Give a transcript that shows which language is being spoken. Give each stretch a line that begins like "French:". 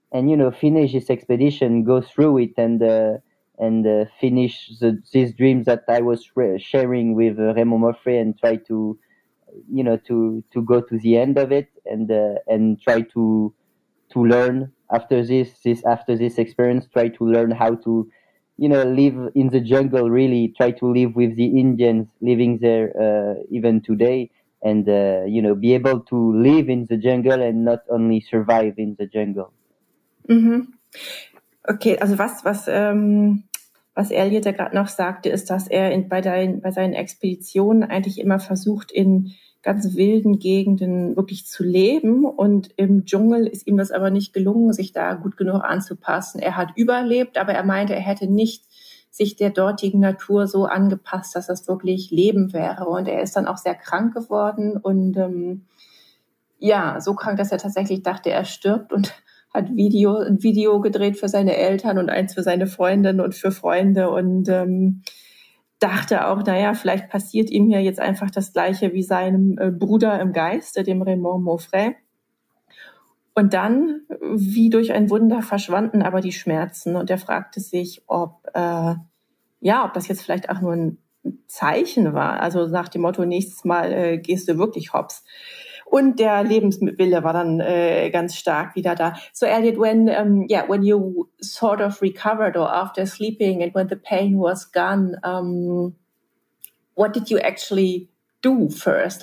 English: you know, finish this expedition, go through it, and finish these dreams that I was sharing with Remo Moffré, and try to, you know, to go to the end of it, and try to learn after this experience, try to learn how to, you know, live in the jungle, really try to live with the Indians living there even today. And, you know, be able to live in the jungle and not only survive in the jungle. Mm-hmm.
German: Okay, also was Elliot da gerade noch sagte, ist, dass er bei seinen Expeditionen eigentlich immer versucht, in ganz wilden Gegenden wirklich zu leben. Und im Dschungel ist ihm das aber nicht gelungen, sich da gut genug anzupassen. Er hat überlebt, aber er meinte, er hätte nicht sich der dortigen Natur so angepasst, dass das wirklich Leben wäre. Und er ist dann auch sehr krank geworden und ja, so krank, dass er tatsächlich dachte, er stirbt, und hat ein Video gedreht für seine Eltern und eins für seine Freundinnen und für Freunde und dachte auch, naja, vielleicht passiert ihm ja jetzt einfach das Gleiche wie seinem Bruder im Geiste, dem Raymond Moffré. Und dann, wie durch ein Wunder, verschwanden aber die Schmerzen, und er fragte sich, ob das jetzt vielleicht auch nur ein Zeichen war, also nach dem Motto, nächstes Mal gehst du wirklich hops. Und der Lebenswille war dann ganz stark wieder da.
English: So Elliot, when you sort of recovered or after sleeping and when the pain was gone, what did you actually do first?